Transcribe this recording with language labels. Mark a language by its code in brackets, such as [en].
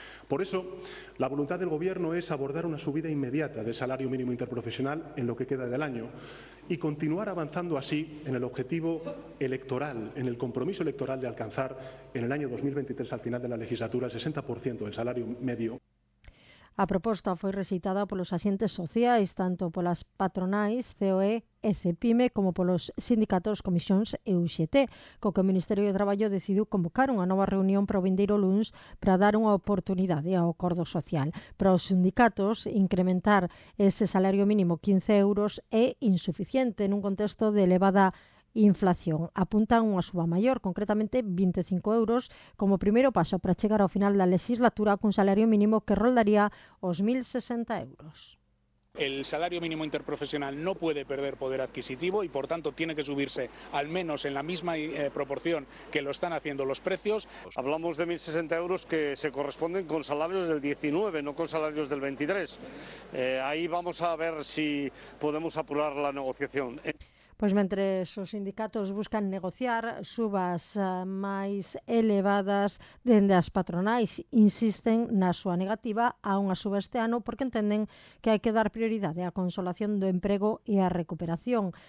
[es] Por eso, la voluntad del Gobierno es abordar una subida inmediata del salario mínimo interprofesional en lo que queda del año y continuar avanzando así en el objetivo electoral, en el compromiso electoral de alcanzar en el año 2023, al final de la legislatura, el 60% del salario medio. [gl] A proposta foi rexeitada polos axentes sociais, tanto polas patronais COE e Cepime, como polos sindicatos Comisións e UGT, co que o Ministerio de Traballo decidiu convocar unha nova reunión para o vindeiro luns para dar unha oportunidade ao acordo social. Para os sindicatos, incrementar ese salario mínimo 15 euros é insuficiente nun contexto de elevada inflación. Apuntan unha suba maior, concretamente 25 euros, como primeiro paso para chegar ao final da legislatura cun salario mínimo que roldaría os 1.060 euros. [es] El salario mínimo interprofesional no puede perder poder adquisitivo y, por tanto, tiene que subirse al menos en la misma proporción que lo están haciendo los precios. Hablamos de 1.060 euros que se corresponden con salarios del 19, no con salarios del 23. Ahí vamos a ver si podemos apurar la negociación. [gl] Pois mentre os sindicatos buscan negociar subas máis elevadas, dende as patronais insisten na súa negativa a unha suba este ano porque entenden que hai que dar prioridade á consolación do emprego e á recuperación.